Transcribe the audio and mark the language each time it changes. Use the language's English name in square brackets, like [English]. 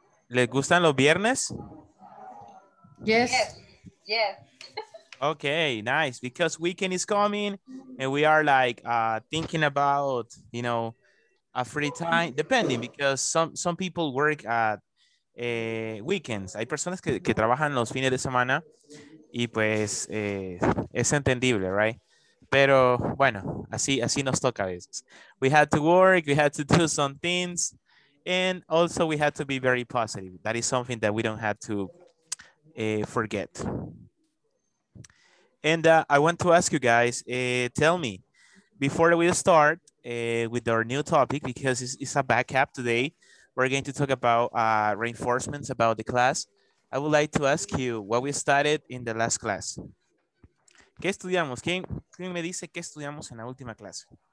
[Spanish] ¿Le gustan los viernes? [English] Yes. Yes. Okay, nice. Because weekend is coming and we are like thinking about, you know, a free time, depending, because some people work at weekends. [Spanish] Hay personas que trabajan los fines de semana y pues es entendible, [English] right? [Spanish] Pero bueno, así nos toca a veces. [English] We had to work, we had to do some things. And also we have to be very positive. That is something that we don't have to forget. And I want to ask you guys, tell me, before we start with our new topic, because it's a backup today, we're going to talk about reinforcements about the class. I would like to ask you what we studied in the last class. [Spanish] ¿Qué estudiamos? ¿Quién me dice qué estudiamos en la última clase?